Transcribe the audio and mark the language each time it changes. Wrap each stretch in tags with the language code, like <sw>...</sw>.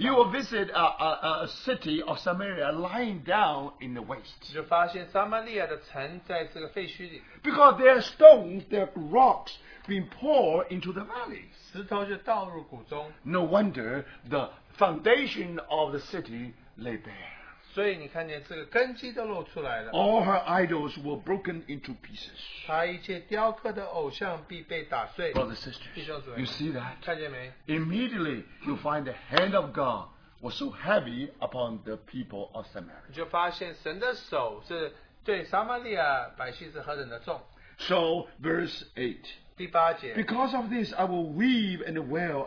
<en>you will visit a city of Samaria lying down in the waste,</en> <zh>就发现撒玛利亚的城在这个废墟里,</zh> <en>because their stones, their rocks being poured into the valley,</en> <zh>石头就倒入谷中,</zh> <en>no wonder the foundation of the city lay bare.</en> <zh>所以你看见这个根基都露出来了。</zh> <en>All her idols were broken into pieces.</en> <zh>她一切雕刻的偶像必被打碎。</zh> <en>Brothers and sisters,</en> <zh>弟兄姊妹,</zh> <en>you see that?</en> <zh>看见没?</zh> <en>Immediately, you find the hand of God was so heavy upon the people of Samaria.</en> <zh>你就发现神的手是对撒玛利亚百姓是何等的重。</zh> <en>So, verse 8.</en> <zh>第八节,</zh> <en>because of this, I will weave and wail.</en>